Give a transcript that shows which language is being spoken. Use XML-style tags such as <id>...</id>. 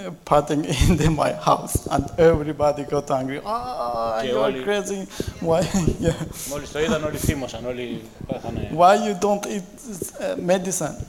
<en>Patting in the my house and everybody got angry. Ah, you are crazy. Why?</en> <el>Μόλις το είδαν όλοι θύμωσαν, όλοι πάθανε.</el> <en>Why you don't eat medicine?</en>